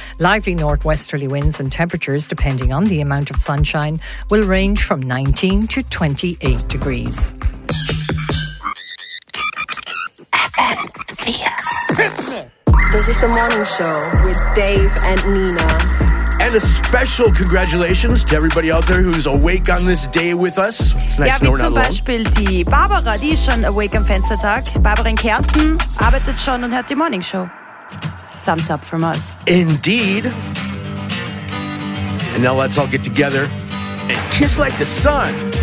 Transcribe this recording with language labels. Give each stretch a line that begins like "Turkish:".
English: Lively northwesterly winds and temperatures, depending on the amount of sunshine, will range from 19 to 28 degrees. This is The Morning Show with Dave and Nina. And a special congratulations to everybody out there who's awake on this day with us. It's nice to know we're not alone.
German: Ja, wie zum Beispiel die Barbara, die ist schon awake am Fenstertag. Barbara in Kärnten arbeitet schon und hört die Morning Show.
English: Thumbs up from us. Indeed. And now let's all get together and kiss like the sun.